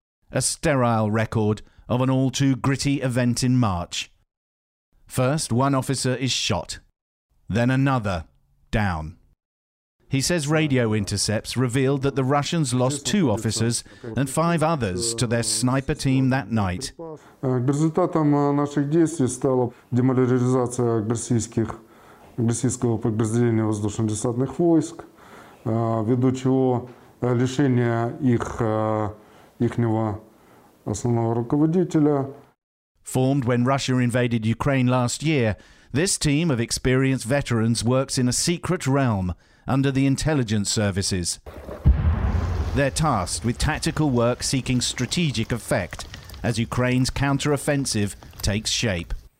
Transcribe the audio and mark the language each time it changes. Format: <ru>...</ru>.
<en>A sterile record of an all-too-gritty event in March. First, one officer is shot, then another down. He says radio intercepts revealed that the Russians lost two officers and five others to their sniper team that night.</en> <ru>Результатом наших действий стала деморализация российского подразделения воздушно-десантных войск, ввиду чего лишение ихнего основного руководителя.</ru> <en>Formed when Russia invaded Ukraine last year, this team of experienced veterans works in a secret realm under the intelligence services. They're tasked with tactical work seeking strategic effect as Ukraine's counter-offensive takes shape.</en>